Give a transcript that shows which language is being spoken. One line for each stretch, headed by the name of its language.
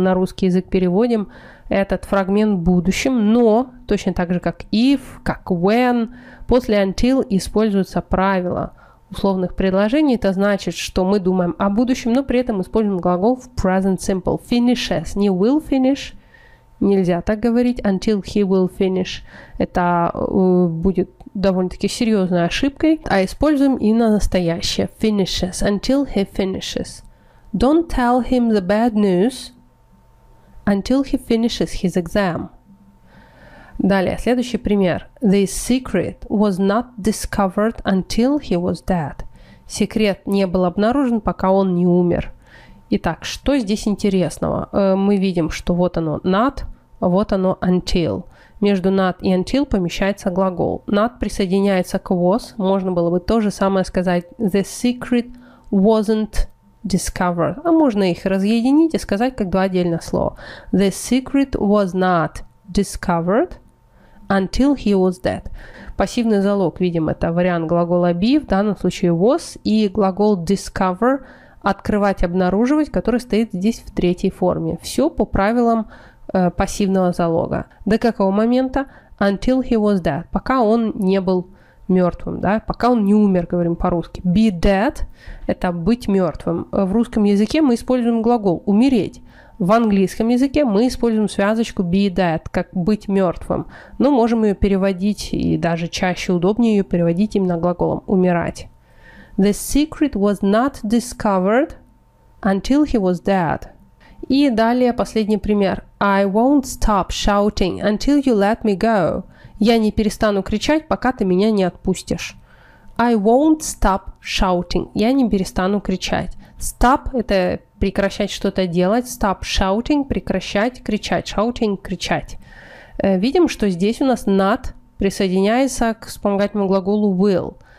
Russian: Мы на русский язык переводим этот фрагмент в будущем, но точно так же, как if, как when, после until используются правила условных предложений, это значит, что мы думаем о будущем, но при этом используем глагол в present simple.
English: Finishes,
Russian: не
English: will finish,
Russian: нельзя так говорить,
English: until he will finish.
Russian: Это будет довольно-таки серьезной ошибкой, а используем и на настоящее.
English: Finishes, until he finishes. Don't tell him the bad news until he finishes his exam.
Russian: Далее, следующий пример.
English: The secret was not discovered until he was dead.
Russian: Секрет не был обнаружен, пока он не умер. Итак, что здесь интересного? Мы видим, что вот оно not, вот оно until. Между not и until помещается глагол. Not присоединяется к was. Можно было бы то же самое сказать.
English: The secret wasn't discovered.
Russian: А можно их разъединить и сказать как два отдельных слова.
English: The secret was not discovered until he was dead.
Russian: Пассивный залог, видим, это вариант глагола be, в данном случае was, и глагол discover, открывать, обнаруживать, который стоит здесь в третьей форме. Все по правилам пассивного залога. До какого момента?
English: Until he was dead.
Russian: Пока он не был мертвым, да? Пока он не умер, говорим по-русски. Be dead – это быть мертвым. В русском языке мы используем глагол умереть. В английском языке мы используем связочку be dead, как быть мертвым. Но можем ее переводить, и даже чаще удобнее ее переводить именно глаголом умирать.
English: The secret was not discovered until he was dead.
Russian: И далее последний пример.
English: I won't stop shouting until you let me go.
Russian: Я не перестану кричать, пока ты меня не отпустишь.
English: I won't stop shouting.
Russian: Я не перестану кричать. Stop – это... прекращать что-то делать,
English: stop shouting,
Russian: прекращать кричать, shouting, кричать. Видим, что здесь у нас not присоединяется к вспомогательному глаголу will.